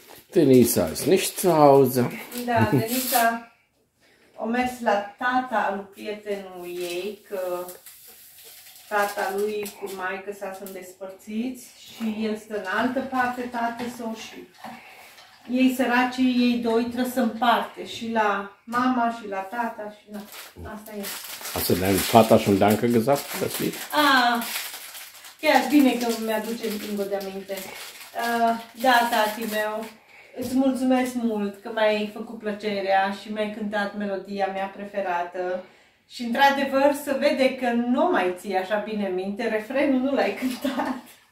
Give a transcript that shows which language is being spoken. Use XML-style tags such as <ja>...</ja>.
<de>Denisa ist nicht zu Hause.</de> <ro>Da, Denisa a mers la tata lui prietenul ei, că tata lui cu maică s-a despărțiți și el stă în altă parte, tata s-o și ei săracii, ei doi trebuie să împarte și la mama și la tata și na, asta e.</ro> <de>Hast du deinem Vater schon Danke gesagt, das Lied?</de> <ro>Ah, chiar bine că mi-aduce Bingo de aminte. Da, tati meu, îți mulțumesc mult că mi-ai făcut plăcerea și mi-ai cântat melodia mea preferată. Și într-adevăr se vede că nu mai ții așa bine minte, refrenul nu l-ai cântat.</ro>